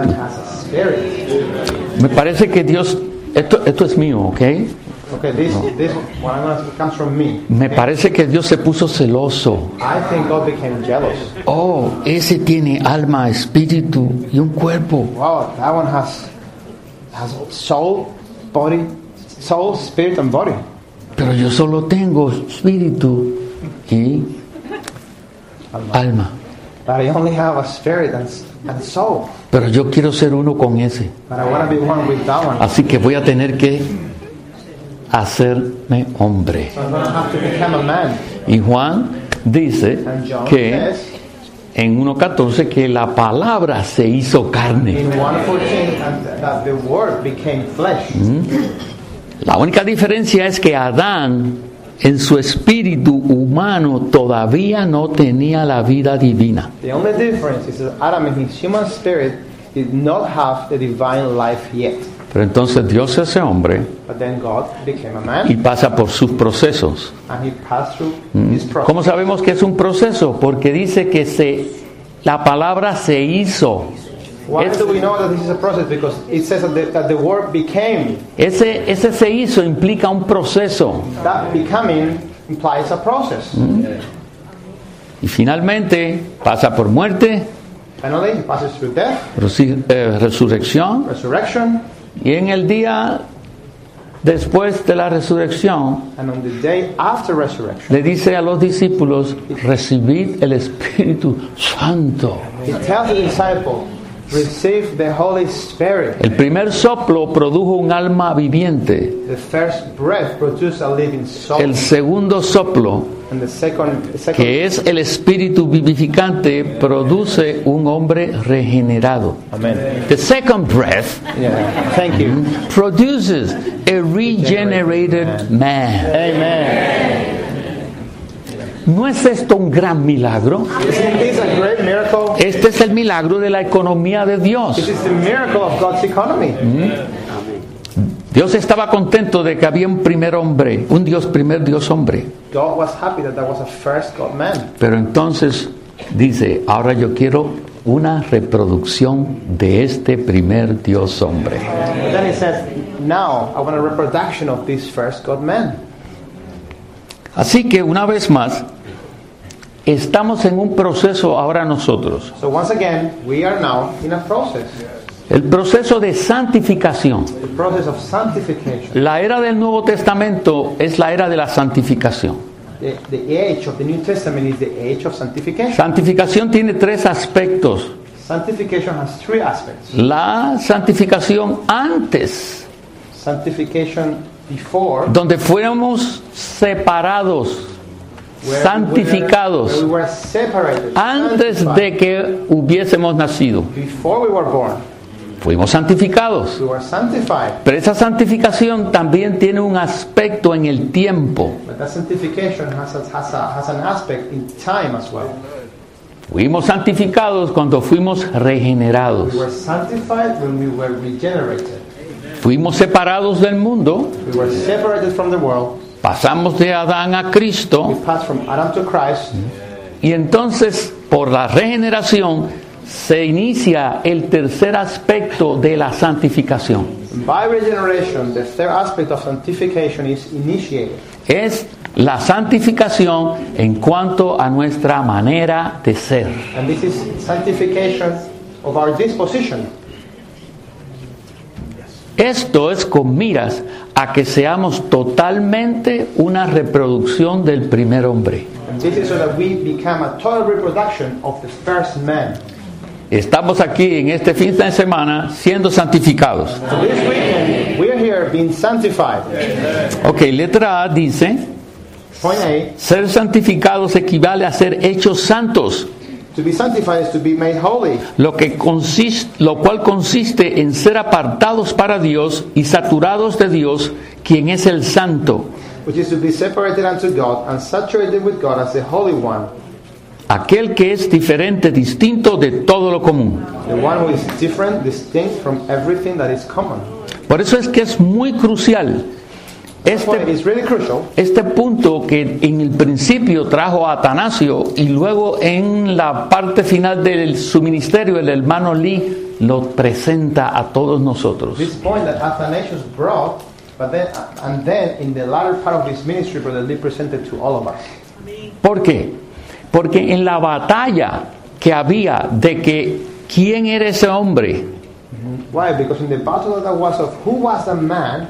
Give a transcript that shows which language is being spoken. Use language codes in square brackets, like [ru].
[en] And has a spirit. [es] Me parece que Dios, esto es mío, ¿ok? [en] Okay, this one comes from me. [es] Me parece que Dios se puso celoso. [en] I think God became jealous. [es] Oh, ese tiene alma, espíritu y un cuerpo. [en] Wow, that one has soul, body, soul, spirit and body. [es] Pero yo solo tengo espíritu y alma. [en] But I only have a spirit and soul. [es] Pero yo quiero ser uno con ese. [en] But I want to be one with that one. [es] Así que voy a tener que hacerme hombre. [en] So I'm going to have to become a man. [es] Y Juan dice que en 1:14 que la palabra se hizo carne. [en] In 1:14 that the word became flesh. [es] La única diferencia es que Adán en su espíritu humano todavía no tenía la vida divina. [en] The only difference is that Adam in his human spirit did not have the divine life yet. [es] Pero entonces Dios es ese hombre. [en] But then God became a man. [es] Y pasa por sus procesos. [en] And he passed through his process. [es] ¿Cómo sabemos que es un proceso? Porque dice que la palabra se hizo. [en] Why do we know that this is a process? Because it says that the word became. [es] Ese se hizo implica un proceso. [en] That becoming implies a process. [es] Y finalmente pasa por muerte. [en] Finally, it passes through death. [es] Resurrección. [en] Resurrection. [es] Y en el día después de la resurrección, [en] and on the day after resurrection, [es] le dice a los discípulos, recibid el Espíritu Santo. [en] He tells the disciples, receive the Holy Spirit. [es] El primer soplo produjo un alma viviente. [en] The first breath produced a living soul. [es] El segundo soplo, [en] and the second, [es] que es el Espíritu vivificante, produce un hombre regenerado. [en] Amen. The second breath, yeah, thank you, produces a regenerated man. Amen. [es] ¿No es esto un gran milagro? [en] Isn't this a great miracle? [es] Este es el milagro de la economía de Dios. [en] This is the miracle of God's economy. [es] Dios estaba contento de que había un primer hombre, un Dios, primer Dios hombre. [en] God was happy that there was a first God man. [es] Pero entonces dice, ahora yo quiero una reproducción de este primer Dios hombre. [en] But then he says, now I want a reproduction of this first God man. [es] Así que una vez más, estamos en un proceso ahora nosotros. [en] So once again, we are now in a process. [es] El proceso de santificación. [en] The process of sanctification. [es] La era del Nuevo Testamento es la era de la santificación. [en] The age of the New Testament is the age of sanctification. [es] Santificación tiene tres aspectos. [en] Sanctification has three aspects. [es] La santificación antes. [en] Sanctification before. [es] Donde fuéramos separados. Santificados. [en] We were separated, [es] antes [en] sanctified, [es] de que hubiésemos nacido. [en] Before we were born. [es] Fuimos santificados. [en] We were sanctified. [es] Pero esa santificación también tiene un aspecto en el tiempo. [en] But that sanctification has an aspect in time as well. [es] Fuimos santificados cuando fuimos regenerados. [en] We were sanctified when we were regenerated. [es] Fuimos separados del mundo. [en] We were separated from the world. [es] Pasamos de Adán a Cristo. [en] We passed from Adam to Christ. [es] Y entonces, por la regeneración, se inicia el tercer aspecto de la santificación. [en] By regeneration, the third aspect of sanctification is initiated. [es] Es la santificación en cuanto a nuestra manera de ser. [en] And this is sanctification of our disposition. [es] Esto es con miras a que seamos totalmente una reproducción del primer hombre. [en] And this is so that we become a total reproduction of the first man. [es] Estamos aquí en este fin de semana siendo santificados. [en] So this weekend, we are here being sanctified. [es] Ok, letra A dice, [en] point A, [es] ser santificados equivale a ser hechos santos. [en] To be sanctified is to be made holy. [es] Lo cual consiste en ser apartados para Dios y saturados de Dios, quien es el santo. [en] Which is to be separated unto God and saturated with God as the Holy One. [es] Aquel que es diferente, distinto de todo lo común. [en] The one who is different, distinct from everything that is common. [es] Por eso es que es muy crucial este punto que en el principio trajo a Atanasio y luego en la parte final de su ministerio el hermano Lee lo presenta a todos nosotros. [en] This point that Athanasius brought But then, and then in the latter part of his ministry, Brother Lee presented to all of us. [es] ¿Por qué? Porque en la batalla que había de que quién era ese hombre. [en] Why? Because in the battle that was of who was a man.